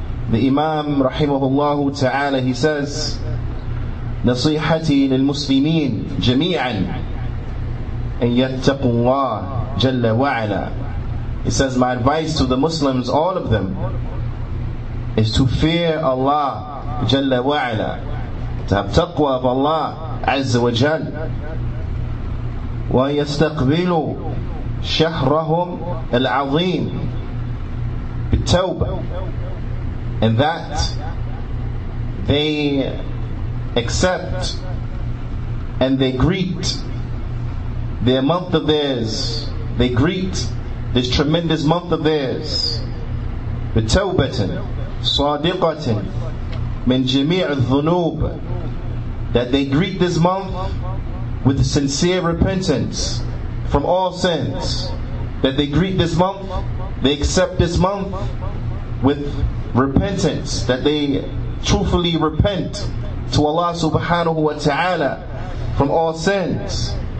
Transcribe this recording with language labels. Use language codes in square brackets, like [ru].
[en] The Imam, rahimahullahu ta'ala, he says, [ar] نصيحتي للمسلمين جميعا أن يتقوا الله جل وعلا. [en] He says, my advice to the Muslims, all of them, is to fear Allah جل وعلا, to have taqwa of Allah عز وجل. [ar] ويستقبلوا شهرهم العظيم بالتوبة. [en] And that they accept and they greet their month of theirs. They greet this tremendous month of theirs. [ar] بتوبةٍ صادقةٍ من جميع الذنوب. [en] That they greet this month with sincere repentance from all sins. That they greet this month, they accept this month with repentance, that they truthfully repent to Allah subhanahu wa ta'ala from all sins.